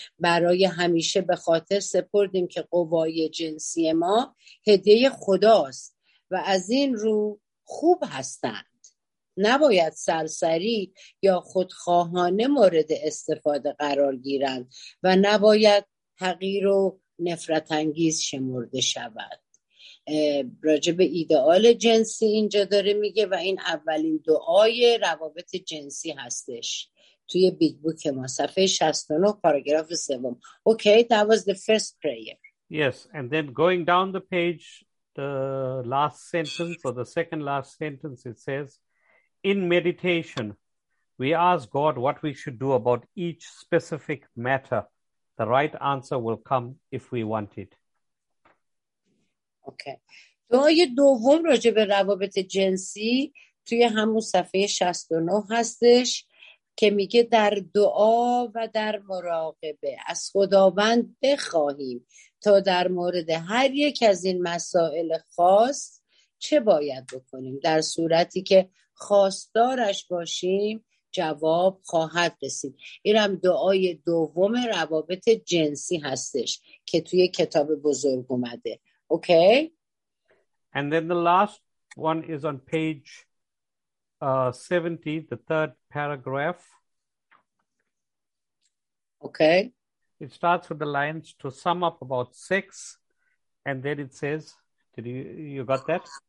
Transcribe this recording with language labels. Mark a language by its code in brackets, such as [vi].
[fa] برای همیشه به خاطر سپردیم که قوای جنسی ما هدیه خداست و از این رو خوب هستند، نباید سرسری یا خودخواهانه مورد استفاده قرار گیرند و نباید حقیر و نفرت انگیز شمرده شود. راجب ایدئال جنسی اینجا داره میگه و این اولین دعای روابط جنسی هستش توی بیگ بوک ما، صفحه 69 پاراگراف سوم. [en] Okay, that was the first prayer. Yes, and then going down the page, the last sentence or the second last sentence, it says, in meditation, we ask God what we should do about each specific matter. The right answer will come if we want it. Okay. [fa] دعای دوم راجع به روابط جنسی توی همون صفحه 69 هستش که میگه در دعا و در مراقبه از خداوند بخواهیم تا در مورد هر یک از این مسائل خاص چه باید بکنیم، در صورتی که خواستارش باشیم جواب خواهد رسید. اینم دعای دوم روابط جنسی هستش که توی کتاب بزرگ اومده. [en] Okay. And then the last one is on page 70, the third paragraph. Okay. It starts with the lines to sum up about sex, and then it says, you got that?